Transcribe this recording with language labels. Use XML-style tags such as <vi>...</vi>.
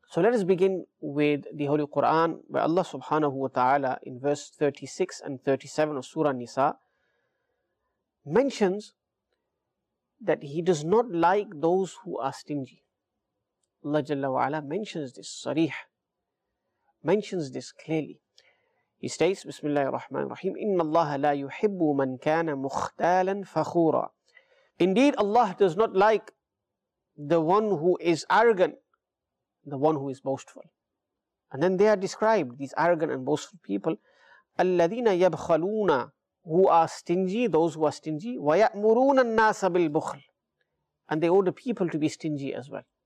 <en>So let us begin with the Holy Quran, where Allah subhanahu wa ta'ala in verse 36 and 37 of Surah Nisa mentions that he does not like those who are stingy. Allah Jalla wa Ala mentions this, sarih, mentions this clearly. He states,</en> <ar>Bismillah ar-Rahman ar-Rahim, إِنَّ اللَّهَ لَا يُحِبُّ مَنْ كَانَ مُخْتَالًا فَخُورًا.</ar> <en>Indeed, Allah does not like the one who is arrogant, the one who is boastful. And then they are described, these arrogant and boastful people,</en> <ar>الَّذِينَ يَبْخَلُونَ,</ar> <en>who are stingy, those who are stingy,</en> <ar>وَيَأْمُرُونَ النَّاسَ بِالْبُخْلِ,</ar> <en>and they order people to be stingy as well.</en>